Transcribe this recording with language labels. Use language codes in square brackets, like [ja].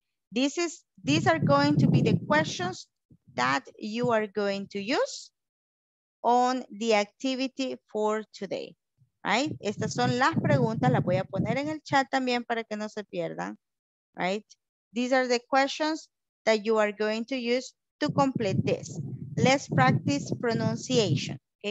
[en] These are going to be the questions that you are going to use on the activity for today, right? [es] Estas son las preguntas, las voy a poner en el chat también para que no se pierdan, right? [en] These are the questions that you are going to use to complete this. Let's practice pronunciation, ¿ok?